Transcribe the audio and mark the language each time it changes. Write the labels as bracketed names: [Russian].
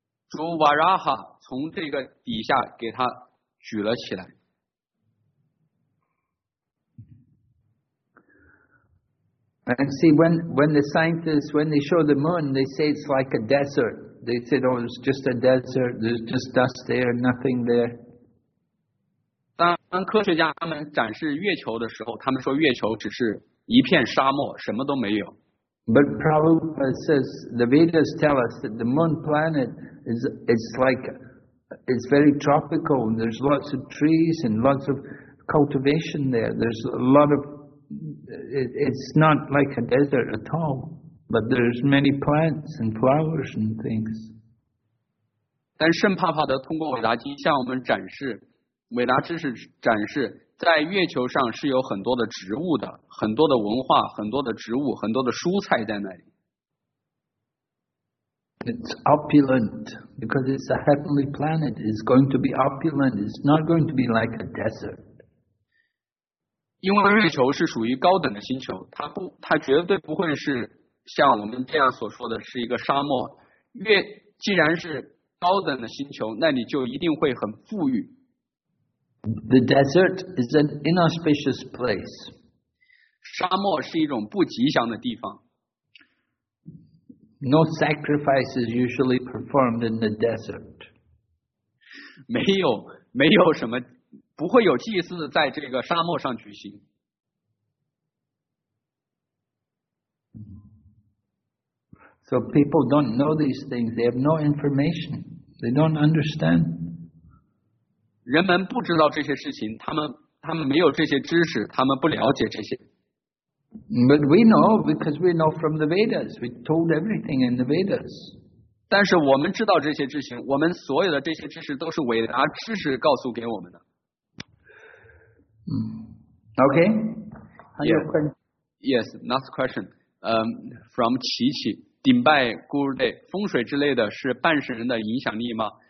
[Chinese] 主 Varaha 从这个底下给他举了起来 [English] And see when the scientists when they show the moon they say it's like a desertThey said, oh, it's just a desert, there's just dust there, nothing there. [Chinese] 当科学家他们展示月球的时候，他们说月球只是一片沙漠，什么都没有。 [English] But Prabhupada says, the Vedas tell us that the moon planet is very tropical, and there's lots of trees and lots of cultivation there. There's a lot of, it's not like a desert at all. But there's many plants and flowers and things. [Chinese] 但圣帕帕德通过伟达经向我们展示，伟达知识展示，在月球上是有很多的植物的，很多的文化，很多的植物，很多的蔬菜在那里。 [English] It's opulent because it's a heavenly planet. It's going to be opulent. It's not going to be like a desert. [Chinese] 因为月球是属于高等的星球，它绝对不会是。像我们这样所说的是一个沙漠，既然是高等的星球，那你就一定会很富裕。 [English] The desert is an inauspicious place. [Chinese] 沙漠是一种不吉祥的地方。 [English] No sacrifice is usually performed in the desert. [Chinese] 没有没有什么，不会有祭祀在这个沙漠上举行。 [English] So people don't know these things. They have no information. They don't understand. [Chinese] 人们不知道这些事情，他们没有这些知识，他们不了解这些。 [English] But we know because we know from the Vedas. We told everything in the Vedas. [Chinese] 但是我们知道这些知识，我们所有的这些知识都是伟达知识告诉给我们的。 [English] Okay. Yeah. Yes. Next question. From 琪琪。 [Chinese] 顶拜孤儿类风水之类的是半神人的影响力吗？